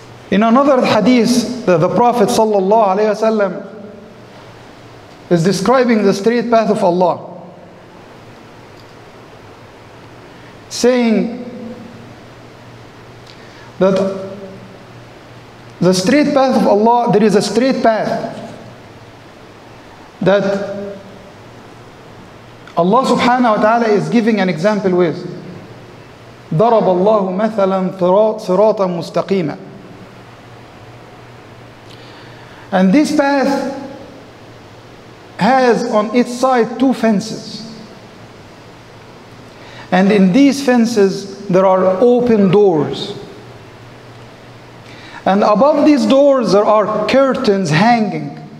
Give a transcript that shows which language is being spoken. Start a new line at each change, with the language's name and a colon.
English: In another hadith, the Prophet sallallahu alaihi wasallam is describing the straight path of Allah, saying that the straight path of Allah, there is a straight path that Allah subhanahu wa ta'ala is giving an example with.
Arabic: ضرب الله مثلا صراطا مستقيما.
English: And this path has on its side two fences. And in these fences there are open doors. And above these doors there are curtains hanging.